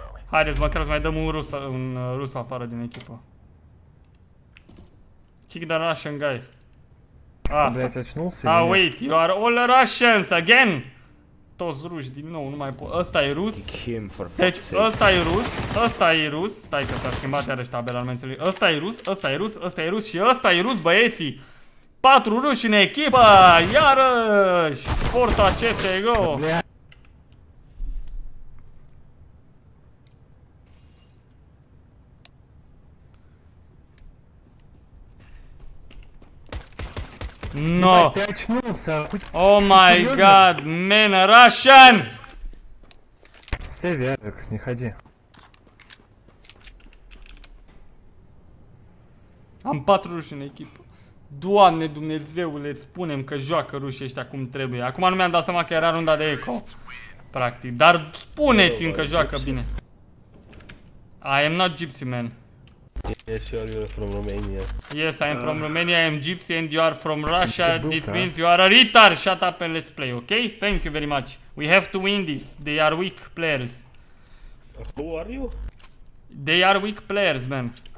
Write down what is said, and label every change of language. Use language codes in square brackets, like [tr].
[ro] Haideți, măcar să mai dăm un rus afară din echipă. [en] Kick the Russian guy. [ro] Asta. [en] Ah, wait, you are all Russians again! [ro] Toți ruși din nou, nu mai pot. Ăsta e rus. Deci, ăsta e rus. Ăsta e rus. Stai că s-a schimbat iarăși tabela în mențelui. Ăsta e rus, ăsta e rus, ăsta e rus și ăsta e rus, băieții! 4 ruși în echipă! Iarăși! Forța CSGO! [en] No. Oh my god, man, Russian! [ru] Все верно, не ходи. [ro] Am patru ruși în echipă. Doamne Dumnezeule, spune-mi că joacă rușii ăștia cum trebuie. Acum nu mi-am dat seama că era runda de eco. Practic, dar spuneți-mi că joacă bine. [en] I am not gypsy, man. Yes, you are from Romania. Yes, I am from Romania, I am gypsy and you are from Russia. This means you are a retard. Shut up and let's play, ok? Thank you very much. We have to win this. They are weak players. Who are you? They are weak players, man.